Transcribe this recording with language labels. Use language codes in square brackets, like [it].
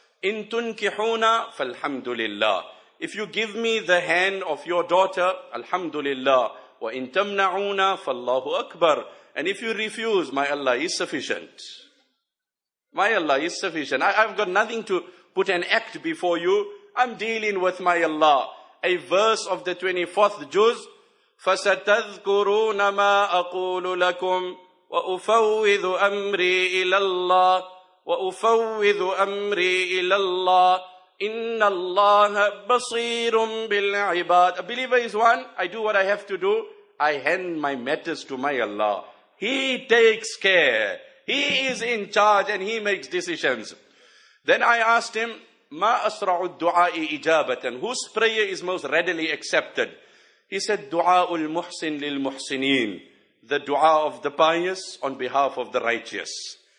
[ar] In tunkihuna falhamdulillah. [en] If you give me the hand of your daughter, alhamdulillah. [ar] Wa in tamna'una fallahu akbar. [en] And if you refuse, my Allah is sufficient. My Allah is sufficient. I've got nothing to put an act before you. I'm dealing with my Allah. A verse of the 24th juz. [ar] فَسَتَذْكُرُونَ مَا أَقُولُ لَكُمْ وَأُفَوِّذُ أَمْرِي إِلَى اللَّهِ وَأُفَوِّذُ أَمْرِي إِلَى اللَّهِ إِنَّ اللَّهَ بَصِيرٌ بِالْعِبَادِ [en] A believer is one. I do what I have to do. I hand my matters to my Allah. He takes care. He is in charge and he makes decisions. Then I asked him, [ar] مَا أَسْرَعُ الدُّعَاءِ إِجَابَةً [en] Whose prayer is most readily accepted? He said, [ar] Dua ul Muhsin lil Muhsineen, [en] the dua of the pious on behalf of the righteous.